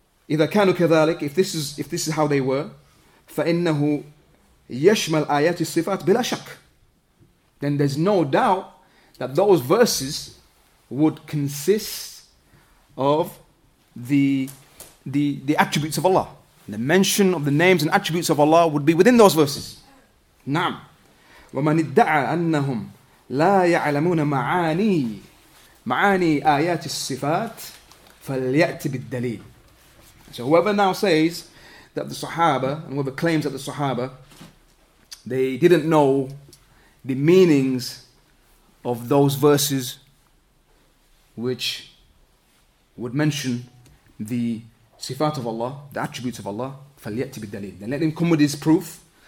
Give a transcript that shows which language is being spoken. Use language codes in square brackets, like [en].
[ar] إذا كانوا كذلك, [en] if this is how they were, [ar] فإنه يشمل آيات الصفات بلا شك, [en] then there's no doubt that those verses would consist of the attributes of Allah. The mention of the names and attributes of Allah would be within those verses. [ar] نعم. ومن ادعى أنهم لا يعلمون معاني آيات الصفات فليأتي بالدليل. [en] So whoever now says that the Sahaba, and whoever claims that the Sahaba, they didn't know the meanings of those verses which would mention the sifat of Allah, the attributes of Allah, [ar] فَلْيَأْتِ بِالدَّلِيلِ, [en] then let him come with his proof.